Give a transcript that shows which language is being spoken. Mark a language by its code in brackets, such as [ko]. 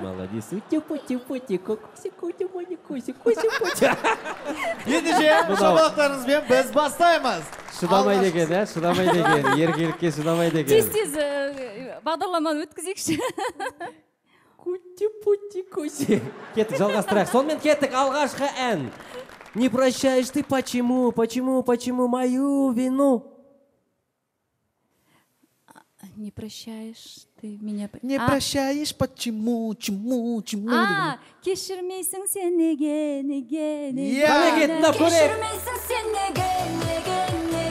[kk] Молодец. Тепоте-поте, кокоси, коте, мони, коси, коси, поте. Ендеше, шабақтарыңызбен біз бастаймыз. Шыдамай деген, иә? Шыдамай деген. Еркелікке шыдамай деген. Тез-тез бағдарламаны өткізейікші. Куте-поте, коси. Кеттік, жалғастырайық. Сонымен кеттік, алғашқы ән. [ru] Не прощаешь ты, почему, почему, почему мою вину? Не прощаешь ты меня. Не прощаешь, почему, чему, чему. [kk] Кешірмейсің сен неге, неге, неге. [ru] Я легенда [kk] көре. Кешірмейсің сен неге, неге, неге.